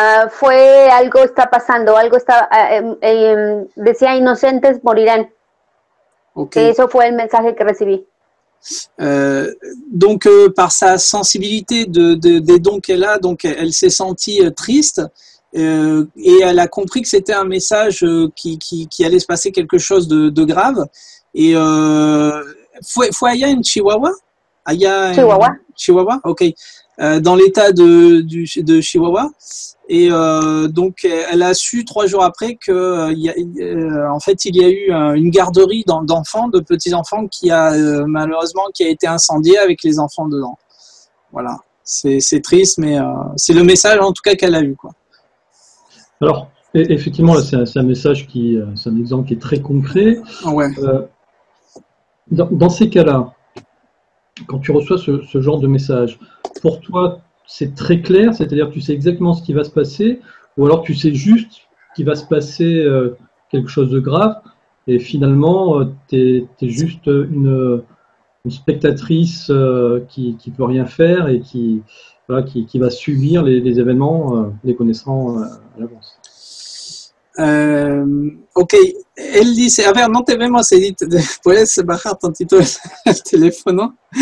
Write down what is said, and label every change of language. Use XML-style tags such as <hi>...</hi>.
<es>Fue algo está pasando, algo está. Decía inocentes morirán. Okay. Eso fue el mensaje que recibí.</es> <fr>Donc, par sa sensibilité des dons qu'elle a, donc elle s'est sentie triste et elle a compris que c'était un message qui allait se passer quelque chose de grave. Et</fr> <es>fue allá en Chihuahua? Allá en Chihuahua. Chihuahua, ok.</es> <fr>Dans l'état de Chihuahua. Et donc, elle a su trois jours après qu'il y a eu une garderie d'enfants, de petits-enfants, qui a malheureusement qui a été incendiée avec les enfants dedans. Voilà, c'est triste, mais c'est le message en tout cas qu'elle a eu, quoi. Alors, effectivement, là, c'est un exemple qui est très concret. Ouais. Dans ces cas-là, quand tu reçois ce genre de message, pour toi, c'est très clair, c'est-à-dire tu sais exactement ce qui va se passer, ou alors tu sais juste qu'il va se passer quelque chose de grave, et finalement, t'es juste une spectatrice qui peut rien faire et qui va subir les événements, les connaissant à l'avance. Ok, elle dit,</fr> <es>a ver, no te vemos, Edith, puedes bajar tantito el teléfono.</es>